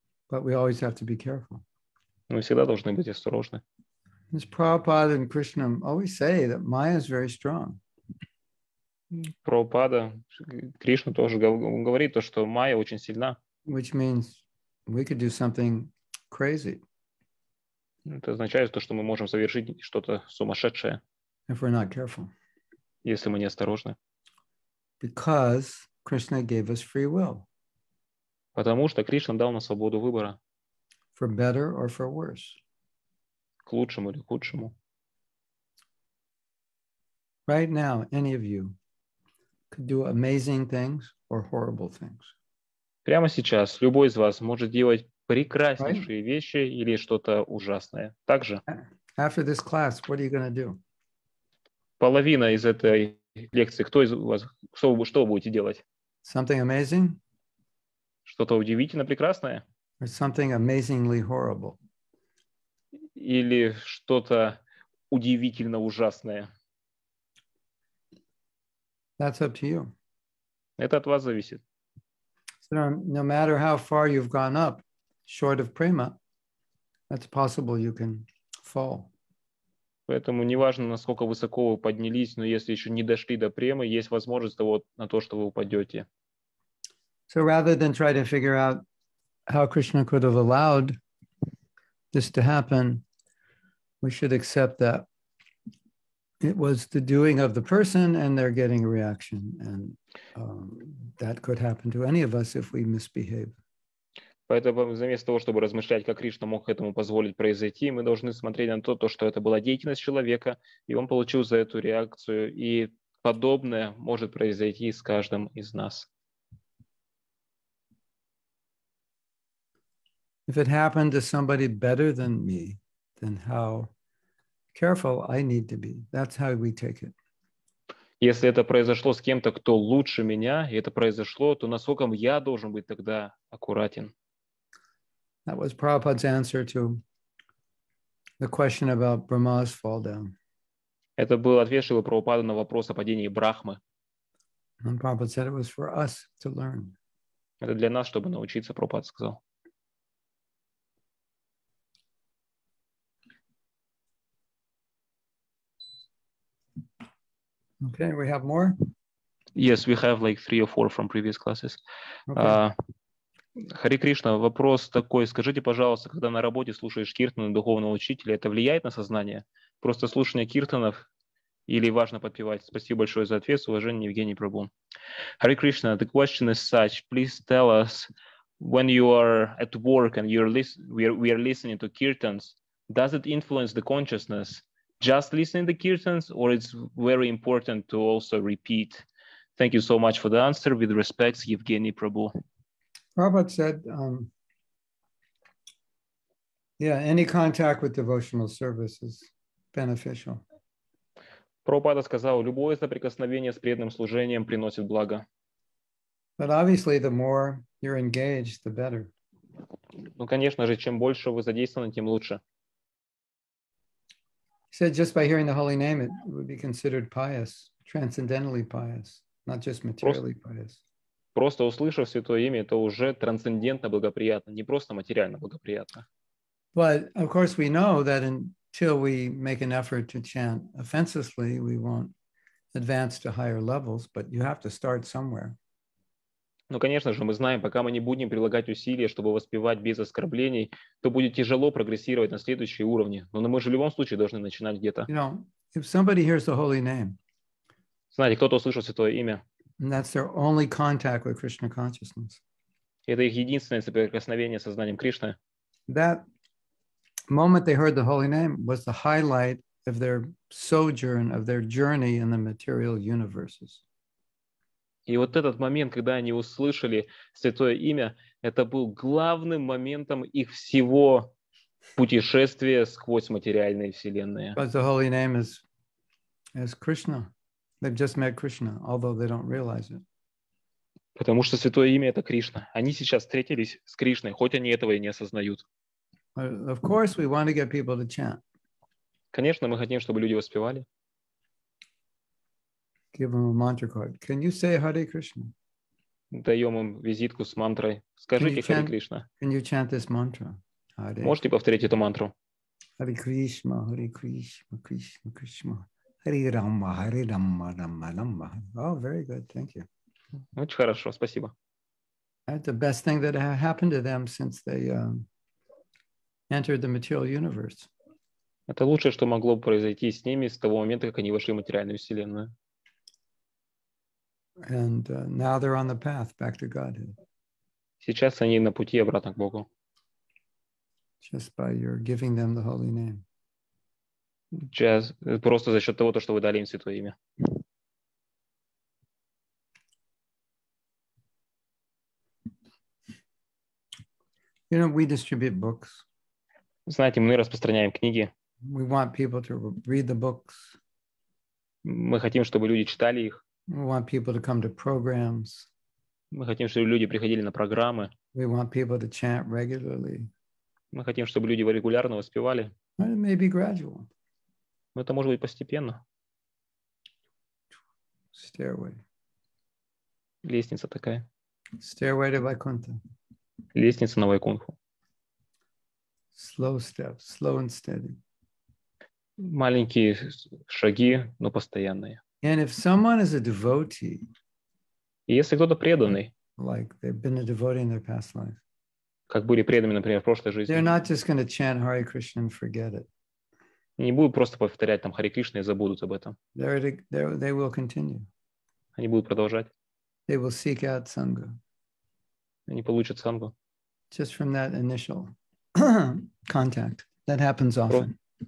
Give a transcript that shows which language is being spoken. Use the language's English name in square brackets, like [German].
[English] But we always have to be careful. [Russian] Мы всегда должны быть осторожны. [English] As Prabhupada and Krishna always say that Maya is very strong. [Russian] Прабхупада, Кришна тоже говорит то, что майя очень сильна. [English] Which means we could do something crazy. [Russian] Это означает то, что мы можем совершить что-то сумасшедшее. [English] If we're not careful. [Russian] Если мы не осторожны. [English] Because Krishna gave us free will. [Russian] Потому что Кришна дал нам свободу выбора. [English] For better or for worse. [Russian] К лучшему или к худшему. [English] Right now, any of you could do amazing things or horrible things. [Russian] Прямо сейчас любой из вас может делать прекраснейшие вещи или что-то ужасное. Также. [English] After this class, what are you going to do? [Russian] Половина из этой лекции. Кто из вас, что вы будете делать? [English] Something amazing? [Russian] Что-то удивительно прекрасное? [English] Or something amazingly horrible? [Russian] Или что-то удивительно ужасное? [English] That's up to you. [Russian] Это от вас зависит. [English] No matter how far you've gone up, short of prema, that's possible you can fall. [Russian] Поэтому неважно, насколько высоко вы поднялись, но если еще не дошли до премы, есть возможность того, на то, что вы упадете. [English] So rather than try to figure out how Krishna could have allowed this to happen, we should accept that it was the doing of the person and they're getting a reaction. And that could happen to any of us if we misbehave. [Russian] Поэтому вместо того, чтобы размышлять, как Кришна мог этому позволить произойти, мы должны смотреть на то, что это была деятельность человека, и он получил за эту реакцию, и подобное может произойти с каждым из нас. [English] If it happened to somebody better than me, then how careful I need to be. That's how we take it. [Russian] Если это произошло с кем-то, кто лучше меня, и это произошло, то насколько я должен быть тогда аккуратен? [English] That was Prabhupada's answer to the question about Brahma's fall down. [Russian] Это был ответ Шрилы Прабхупады на вопрос о падении Брахмы. [English] And Prabhupada said it was for us to learn. [Russian] Это для нас, чтобы научиться, Прабхупада сказал. [English] Okay, we have more? Yes, we have like 3 or 4 from previous classes. Okay. [Russian] Хари Кришна, вопрос такой. Скажите, пожалуйста, когда на работе слушаешь киртаны духовного учителя, это влияет на сознание? Просто слушание киртанов или важно подпевать? Спасибо большое за ответ. С уважением, Евгений Прабху. [English] Хари Кришна, the question is such. Please tell us, when you are at work and we are listening to kirtans, does it influence the consciousness just listening to kirtans or it's very important to also repeat? Thank you so much for the answer. With respects, Евгений Прабху. Prabhupada said, any contact with devotional service is beneficial. [Russian] Prabhupada сказал, любое соприкосновение с преданным служением приносит благо. [English] But obviously, the more you're engaged, the better. [Russian] Ну, конечно же, чем больше вы задействованы, тем лучше. [English] He said, just by hearing the holy name, it would be considered pious, transcendentally pious, not just materially pious. [Russian] Просто услышав святое имя, это уже трансцендентно благоприятно, не просто материально благоприятно. [English] But of course we know that until we make an effort to chant offenselessly, we won't advance to higher levels, but you have to start somewhere. [Russian] Ну, конечно же, мы знаем, пока мы не будем прилагать усилия, чтобы воспевать без оскорблений, то будет тяжело прогрессировать на следующие уровни. Но мы же в любом случае должны начинать где-то. [English] You know, if somebody hears the holy name. [Russian] Знаете, кто-то услышал святое имя. [English] And that's their only contact with Krishna consciousness. [Russian] Это их единственное соприкосновение с сознанием Кришны. [English] That moment they heard the holy name was the highlight of their sojourn, of their journey in the material universes. [Russian] И вот этот момент, когда они услышали святое имя, это был главным моментом их всего путешествия сквозь материальные вселенные. [English] Because the holy name is Krishna. They've just met Krishna, although they don't realize it. [Russian] Потому что святое имя это Кришна. Они сейчас встретились с Кришной, хоть они этого и не осознают. [English] Of course, we want to get people to chant. [Russian] Конечно, мы хотим, чтобы люди воспевали. [English] Give them a mantra card. Can you say Hare Krishna? [Russian] Даем им визитку с мантрой. Скажите Hare Krishna. [English] Can you chant this mantra? [Russian] Можете повторить эту мантру? [English] Hare Krishna, Hare Krishna, Krishna Krishna. Hare Rama, Hare Rama, Rama Rama. Oh, very good. Thank you. [Russian] Очень хорошо. Спасибо. [English] That's the best thing that happened to them since they entered the material universe. [Russian] Это лучшее, что могло произойти с ними с того момента, как они вошли в материальную вселенную. [English] And now they're on the path back to Godhead. [Russian] Сейчас они на пути обратно к Богу. [English] Just by your giving them the holy name. [Russian] Просто за счет того, то, что вы дали им святое имя. [English] You know, we distribute books. [Russian] Знаете, мы распространяем книги. [English] We want people to read the books. [Russian] Мы хотим, чтобы люди читали их. [English] We want people to come to programs. [Russian] Мы хотим, чтобы люди приходили на программы. [English] We want people to chant regularly. [Russian] Мы хотим, чтобы люди регулярно воспевали. [English] It may be gradual. [Russian] Но это может быть постепенно. [English] Stairway. [Russian] Лестница такая. [English] Stairway to Vaikuntha. [Russian] Лестница на Вайкунху. [English] Slow steps, slow and steady. [Russian] маленькие шаги, но постоянные. [English] And if someone is a devotee, [Russian] и если кто-то преданный, [English] like they've been a devotee in their past life, [Russian] как были преданными, например, в прошлой жизни, [English] they're not just going to chant Hare Krishna and forget it. [Russian] Не будут просто повторять там Хари Кришна и забудут об этом. [English] They will continue. [Russian] Они будут продолжать. [English] They will seek out sangha. [Russian] Они получат сангу. [English] Just from that initial contact. That happens often.